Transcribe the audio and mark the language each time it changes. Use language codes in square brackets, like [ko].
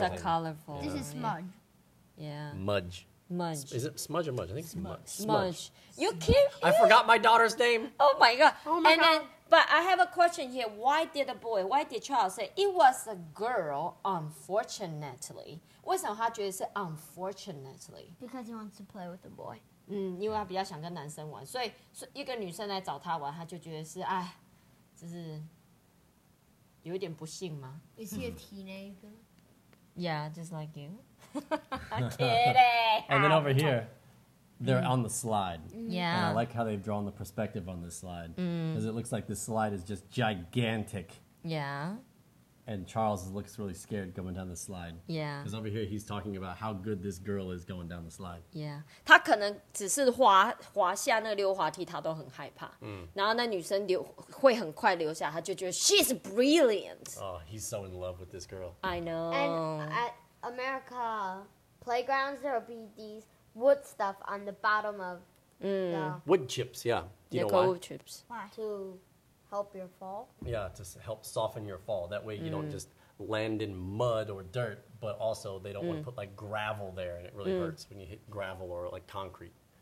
[en] are colorful. This is Smudge. Yeah. Mudge. Mudge. Is it Smudge or Mudge? I think it's Smudge. Smudge. You can't hear. I forgot my daughter's name. Oh my God. Oh my and God. Then, but I have a question here. Why did Charles say it was a girl, unfortunately? [zh] 为什么他觉得是 unfortunately? [en] Because he wants to play with a boy. [zh] 因为他比较想跟男生玩。所以一个女生来找他玩,他就觉得是, 哎, 就是有点不幸吗? [en] Is he a teenager? Yeah, just like you. Kidding! And then over here, they're on the slide. Yeah. And I like how they've drawn the perspective on this slide. Because it looks like this slide is just gigantic. Yeah. And Charles looks really scared going down the slide. Yeah. Because over here, he's talking about how good this girl is going down the slide. Yeah. [zh] 他可能只是滑下那个溜滑梯,他都很害怕. 然后那女生会很快留下,他就觉得 [en] she's brilliant. Oh, he's so in love with this girl. I know. And at America playgrounds, there will be these wood stuff on the bottom of the... Wood chips, yeah. Do you know why? Wood chips. Why? To help your fall. Yeah, to help soften your fall. That way you don't just land in mud or dirt, but also they don't want to put like gravel there, and it really hurts when you hit gravel or like concrete.